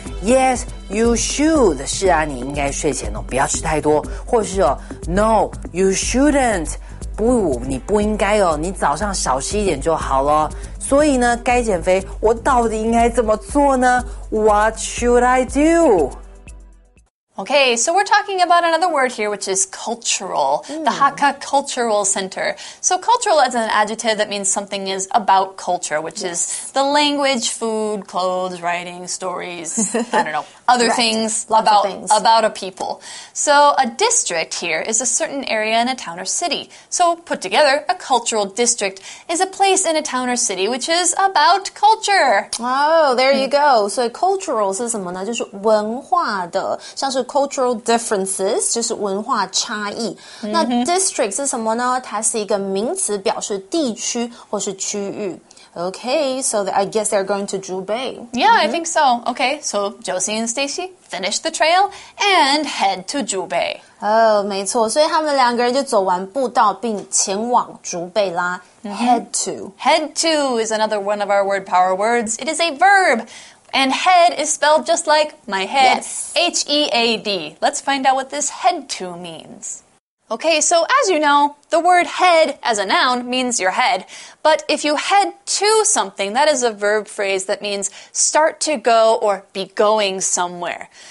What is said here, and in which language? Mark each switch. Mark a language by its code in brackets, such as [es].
[en] Yes You should， [zh] 是啊你应该睡前哦不要吃太多，或是哦 [en] No You shouldn't， [zh] 不你不应该哦，你早上少吃一点就好了。所以呢该减肥我到底应该怎么做呢？ [en] What should I do Okay, so we're talking about another word here, which is cultural,the Hakka Cultural Center. So cultural is an adjective that means something is about culture, which is the language, food, clothes, writing, stories, I don't know, other things, about a people. So a district here is a certain area in a town or city. So put together, a cultural district is a place in a town or city which is about culture. Oh, there you go. So cultural [zh] 是什么呢？就是文化的，像是 [en] cultural differences [zh] 就是文化差异、那 district 是什么呢？它是一个名词，表示地区或是区域。 [en] Okay, so I guess they're going to Zhubei. Yeah,、I think so. Okay, so Josie and Stacy finish the trail and head to Zhubei. [zh] Oh, 没错，所以他们两个人就走完步道并前往竹北啦。 [en] Head to. Head to is another one of our word power words. It is a verbAnd head is spelled just like my head,、H-E-A-D. Let's find out what this head to means. Okay, so as you know, the word head as a noun means your head. But if you head to something, that is a verb phrase that means start to go or be going somewhere.